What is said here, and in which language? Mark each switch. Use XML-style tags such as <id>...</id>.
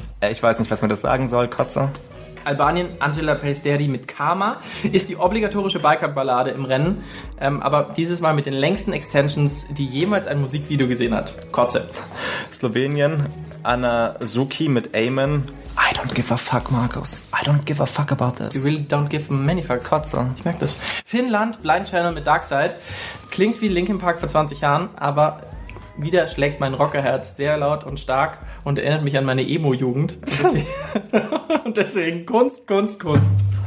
<de>Ich weiß nicht, was mir das sagen soll. Kotze. Albanien, Angela Pelsteri mit Karma ist die obligatorische Balkan-Ballade im Rennen, aber dieses Mal mit den längsten Extensions, die jemals ein Musikvideo gesehen hat. Kotze. Slowenien, Anna Zuki mit Amen.</de> <en>I don't give a fuck, Markus. I don't give a fuck about this. You really don't give many fucks.</en> <de>Kotze. Ich merke das. Finnland, Blind Channel mit Dark Side. Klingt wie Linkin Park vor 20 Jahren, aber... wieder schlägt mein Rockerherz sehr laut und stark und erinnert mich an meine Emo-Jugend. Und deswegen Kunst, Kunst, Kunst.</de>